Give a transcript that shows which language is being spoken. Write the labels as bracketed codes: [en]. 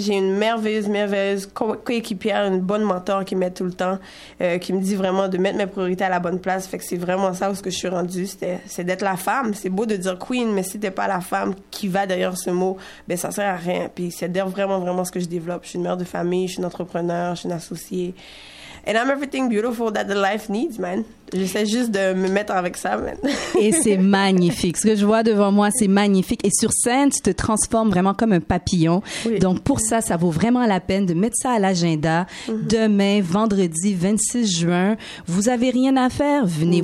[fr] J'ai une merveilleuse coéquipière, une bonne mentor qui m'aide tout le temps, qui me dit vraiment de mettre mes priorités à la bonne place. Fait que c'est vraiment ça où ce que je suis rendue, c'est d'être la femme. C'est beau de dire queen, mais si t'es pas la femme qui va derrière ce mot, ben ça sert à rien. Puis c'est d'ailleurs vraiment, vraiment ce que je développe. Je suis une mère de famille, je suis une entrepreneur, je suis une associée. [en] And I'm everything beautiful that the life needs, man. [fr] J'essaie juste de me mettre avec ça, man. Et c'est magnifique. Ce que je vois devant moi, c'est magnifique. Et sur scène, tu te transformes vraiment comme un papillon. Oui. Donc, pour ça, ça vaut vraiment la peine de mettre ça à l'agenda. Mm-hmm. Demain, vendredi 26 juin, vous avez rien à faire, venez. Mm-hmm.